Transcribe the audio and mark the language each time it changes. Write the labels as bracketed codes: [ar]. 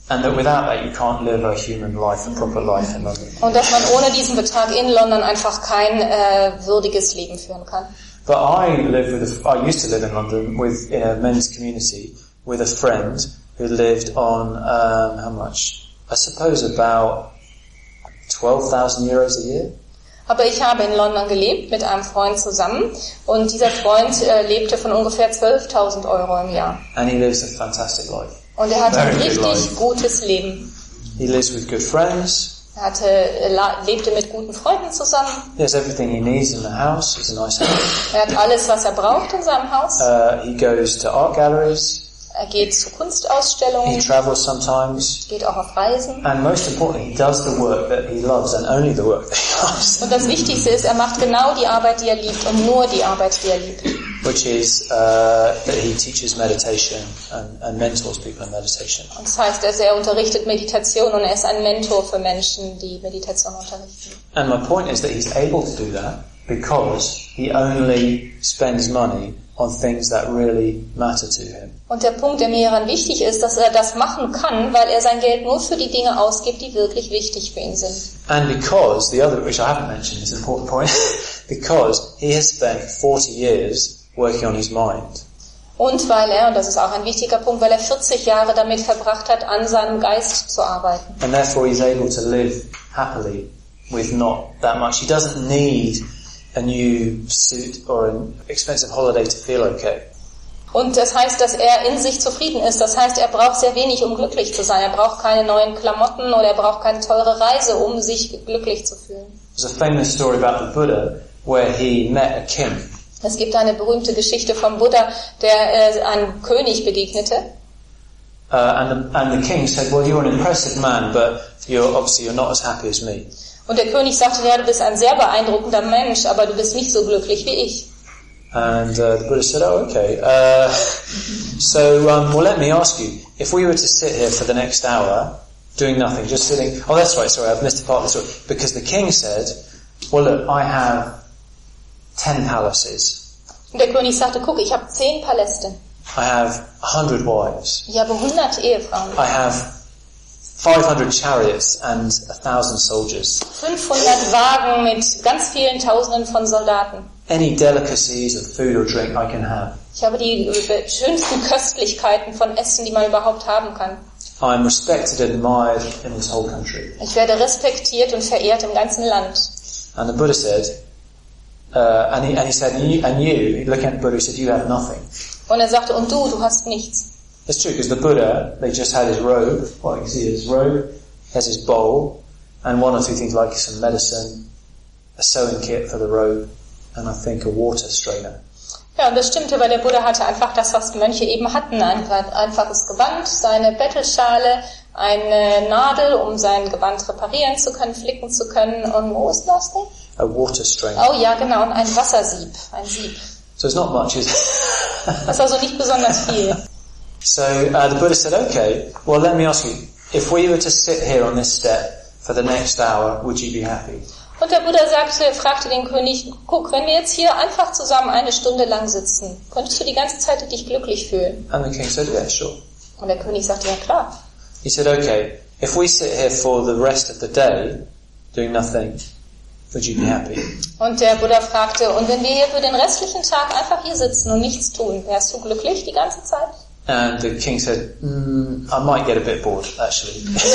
[en] And that without that you can't live a human life, a proper life in London. [de] Und dass man ohne diesen Betrag in London einfach kein würdiges Leben führen kann. [en] But I used to live in London with in a men's community with a friend who lived on how much? I suppose about 12,000 euros a year. [de] Aber ich habe in London gelebt mit einem Freund zusammen und dieser Freund lebte von ungefähr 12.000 Euro im Jahr. [en] And he lives a fantastic life. [de] Und er hatte ein richtig gutes Leben. [en] He lives with good friends. [de] Er hatte, lebte mit guten Freunden zusammen. [en] He has everything he needs in the house. It's a nice house. [de] Er hat alles, was er braucht in seinem Haus. [en] He goes to art galleries. [de] Er geht zu Kunstausstellungen. [en] He travels sometimes. [de] Geht auch auf Reisen. [en] And most importantly, he does the work that he loves and only the work that he loves. [de] Und das Wichtigste ist, er macht genau die Arbeit, die er liebt und nur die Arbeit, die er liebt. [en] Which is that he teaches meditation and mentors people in meditation. [de] Und das heißt, dass er unterrichtet Meditation und er ist ein Mentor für Menschen, die Meditation unterrichten. [en] And my point is that he's able to do that because he only spends money on things that really matter to him. [de] Und der Punkt, der mir hieran wichtig ist, dass er das machen kann, weil er sein Geld nur für die Dinge ausgibt, die wirklich wichtig für ihn sind. [en] And because the other, which I haven't mentioned, is an important point, because he has spent 40 years working on his mind. [de] Und weil er, und das ist auch ein wichtiger Punkt, weil er 40 Jahre damit verbracht hat, an seinem Geist zu arbeiten. [en] And therefore he's able to live happily with not that much. He doesn't need a new suit or an expensive holiday to feel okay. [de] Und das heißt, dass er in sich zufrieden ist. Das heißt, er braucht sehr wenig, um glücklich zu sein. Er braucht keine neuen Klamotten oder er braucht keine teure Reise, um sich glücklich zu fühlen. [en] There's a famous story about the Buddha where he met a king. [de] Es gibt eine berühmte Geschichte vom Buddha, der einem König begegnete. [en] And the king said, well, you're an impressive man, but you're obviously not as happy as me. [de] Und der König sagte, ja, du bist ein sehr beeindruckender Mensch, aber du bist nicht so glücklich wie ich. [en] And the Buddha said, oh, okay. So, let me ask you, if we were to sit here for the next hour, doing nothing, just sitting, oh, that's right, sorry, I've missed a part of the story. Because the king said, well, look, I have 10 palaces. [de] Und der König sagte, guck, ich habe 10 Paläste. [en] I have 100 wives. [de] Ich habe 100 Ehefrauen. [en] I have 500 chariots and 1,000 soldiers. [de] 500 Wagen mit ganz vielen Tausenden von Soldaten. [en] Any delicacies of food or drink I can have. [de] Ich habe die schönsten Köstlichkeiten von Essen, die man überhaupt haben kann. [en] I'm respected and admired in this whole country. [de] Ich werde respektiert und verehrt im ganzen Land. [en] And the Buddha said, and he said, you have nothing. [de] Und er sagte, und du hast nichts. [en] It's true, because the Buddha, they just had his robe, well, you see his robe, has his bowl, and one or two things like some medicine, a sewing kit for the robe, and I think a water strainer. [de] Ja, und das stimmte, weil der Buddha hatte einfach das, was die Mönche eben hatten, ein einfaches Gewand, seine Bettelschale, eine Nadel, um sein Gewand reparieren zu können, flicken zu können, und wo ist das denn? [en] A water strainer. [de] Oh ja, genau, und ein Wassersieb, ein Sieb. [en] So it's not much, is it? [de] Das ist also nicht besonders viel. [en] So the Buddha said, okay, well let me ask you, if we were to sit here on this step for the next hour, would you be happy? [de] Und der Buddha fragte den König, guck, wenn wir jetzt hier einfach zusammen eine Stunde lang sitzen, könntest du die ganze Zeit dich glücklich fühlen? [en] And the king said, yeah, sure. [de] Und der König sagte, ja, klar. [en] He said, okay, if we sit here for the rest of the day, doing nothing, would you be happy? [de] Und der Buddha fragte, und wenn wir hier für den restlichen Tag einfach hier sitzen und nichts tun, wärst du glücklich die ganze Zeit? [en] And the king said, I might get a bit bored, actually.